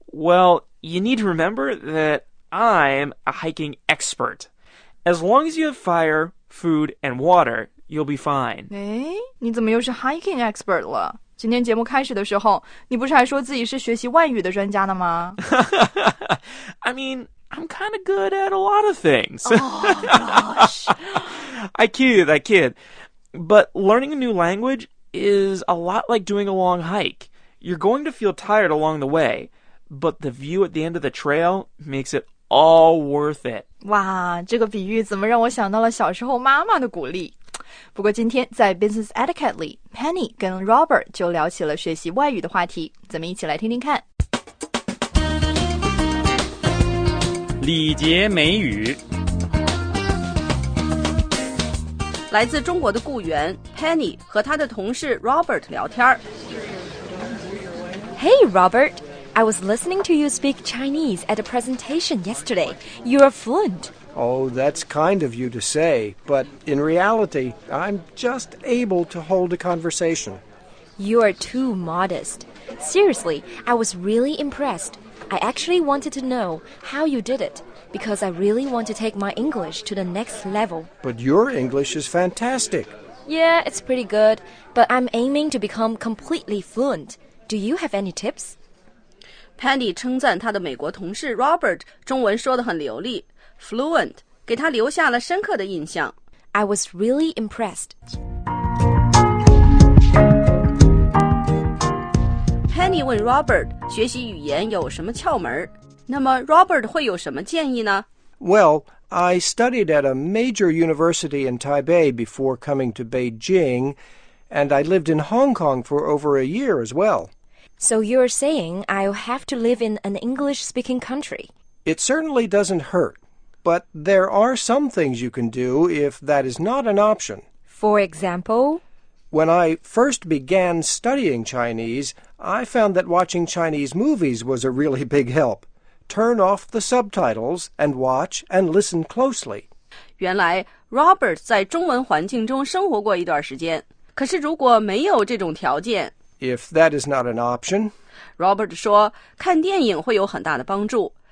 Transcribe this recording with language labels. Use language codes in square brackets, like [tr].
[en] Well, you need to remember that I'm a hiking expert. As long as you have fire, food, and water, you'll be fine. [zh] 哎，你怎么又是 hiking expert 了？今天节目开始的时候，你不是还说自己是学习外语的专家呢吗？ [en] I mean, I'm kind of good at a lot of things. Oh, gosh. I kid. But learning a new language is a lot like doing a long hike. You're going to feel tired along the way, but the view at the end of the trail makes it all worth it. [zh] 哇，这个比喻怎么让我想到了小时候妈妈的鼓励。不过今天在 Business Etiquette 里， Penny 跟 Robert 就聊起了学习外语的话题，咱们一起来听听看。礼节美语。来自中国的雇员 Penny 和他的同事 Robert 聊天。 [en] Hey Robert, I was listening to you speak Chinese at a presentation yesterday. You're fluent. Oh, that's kind of you to say, but in reality, I'm just able to hold a conversation. You're too modest. Seriously, I was really impressed. I actually wanted to know how you did it, because I really want to take my English to the next level. But your English is fantastic. Yeah, it's pretty good, but I'm aiming to become completely fluent. Do you have any tips? [zh] Penny 称赞他的美国同事 Robert 中文说得很流利。 Fluent 给他留下了深刻的印象。 [en] I was really impressed. [zh] Penny 问 Robert 学习语言有什么窍门？那么 Robert 会有什么建议呢？ [en] Well, I studied at a major university in Taipei before coming to Beijing, and I lived in Hong Kong for over a year as well. So you're saying I'll have to live in an English-speaking country? It certainly doesn't hurt. But there are some things you can do if that is not an option. For example? When I first began studying Chinese, I found that watching Chinese movies was a really big help. Turn off the subtitles and watch and listen closely. [zh] 原来 Robert 在中文环境中生活过一段时间。可是如果没有这种条件 [en] If that is not an option, [zh] Robert 说看电影会有很大的帮助。